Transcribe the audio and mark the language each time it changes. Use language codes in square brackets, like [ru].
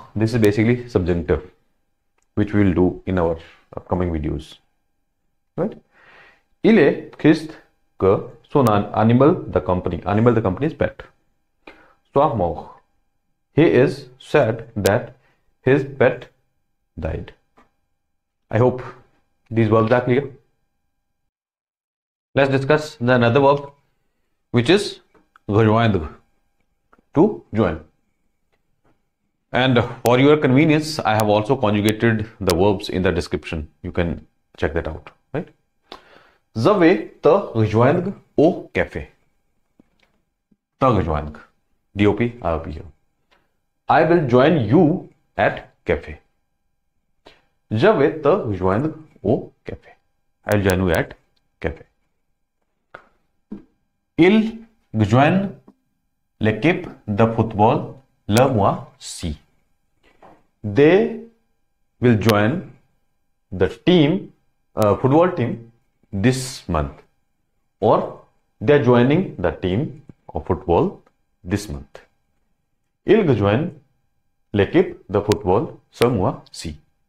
[en] This is basically subjunctive, which we will do in our upcoming videos. Right? [fr] Il est triste que son animal de compagnie. [en] Animal de compagnie is pet. [fr] Soit mort. [en] He is sad that his pet died. I hope these verbs are clear. Let's discuss the another verb, which is rejoindre, to join. And for your convenience, I have also conjugated the verbs in the description. You can check that out, right? [fr] Je vais te rejoindre au café. Te rejoindre. [en] D-O-P, I-O-P here. I will join you at cafe. [fr] Je vais te rejoindre au café. [en] I will join you at cafe. [fr] Il rejoint l'équipe de football le mois ci. [en] They will join the team, football team this month. Or they are joining the team of football this month. [fr] Il rejoint l'équipe de football ce mois-ci.